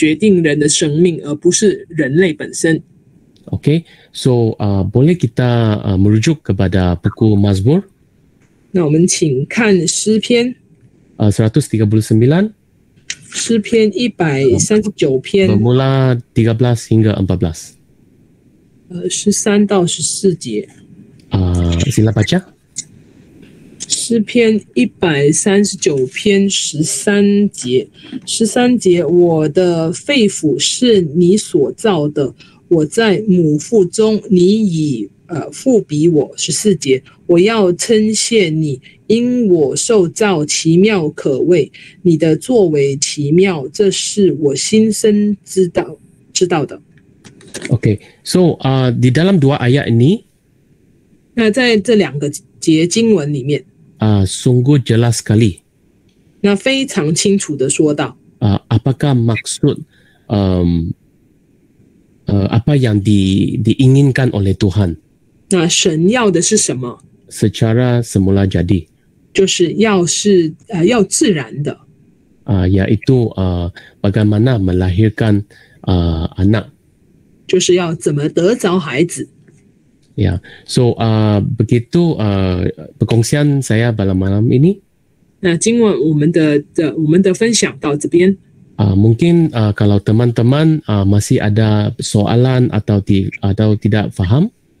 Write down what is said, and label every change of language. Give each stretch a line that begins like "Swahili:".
Chinese: 因为是神创造和决定人的生命，而不是人类本身。
Malay: Okay, so boleh kita merujuk kepada buku Mazmur?
Chinese: 那我们请看诗篇
Malay: 139.
Chinese: 诗篇 139篇
Malay: bermula 13 hingga 14.
Chinese: 13-14节
Malay: sila baca.
Chinese: 诗篇 139篇 13节 13节 我的肺腑是你所造的， 我在母腹中，你已复庇我。 14节， 我要称谢你，因我受造奇妙可畏，你的作为奇妙，这是我心生知道的。Okay,
Malay: so di dalam dua ayat ini,
Chinese: 那在这两个节经文里面，
Malay: sungguh jelas sekali,
Chinese: 那非常清楚的说到，
Malay: apakah maksud apa yang diinginkan oleh Tuhan?
Chinese: 那神要的是什么？
Malay: Secara semula jadi.
Chinese: 就是要是 要自然的。
Malay: Iaitu bagaimana melahirkan anak.
Chinese: 就是要怎么得着孩子。
Malay: Yeah. So begitu perkongsian saya dalam malam ini.
Chinese: 那今晚我们的分享到这边。
Malay: Mungkin kalau teman-teman masih ada soalan atau tidak faham.